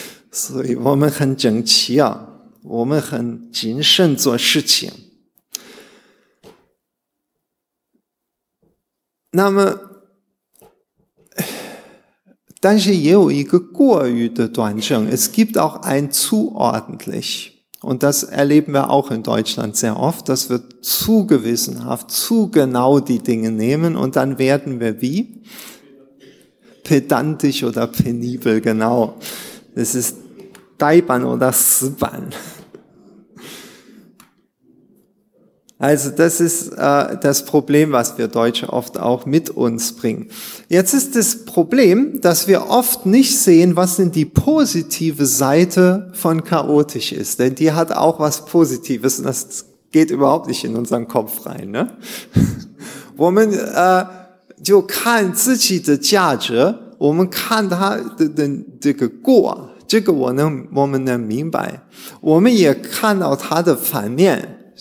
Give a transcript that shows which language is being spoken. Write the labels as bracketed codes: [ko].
[zh] Sorry, 我们很整齐啊.我们很谨慎做事情. 但是也有一个过于的端正. [de] Es gibt auch ein zu ordentlich. Und das erleben wir auch in Deutschland sehr oft, dass wir zu gewissenhaft, zu genau die Dinge nehmen und dann werden wir wie? Pedantisch oder penibel, genau. Das ist Daiban oder Siban. Also das ist das Problem, was wir Deutsche oft auch mit uns bringen. Jetzt ist das Problem, dass wir oft nicht sehen, was denn die positive Seite von chaotisch ist. Denn die hat auch was Positives und das geht überhaupt nicht in unseren Kopf rein. Ne? [zh] 我们就看自己的价值，我们看它的这个过，这个我们能明白，我们也看到它的反面。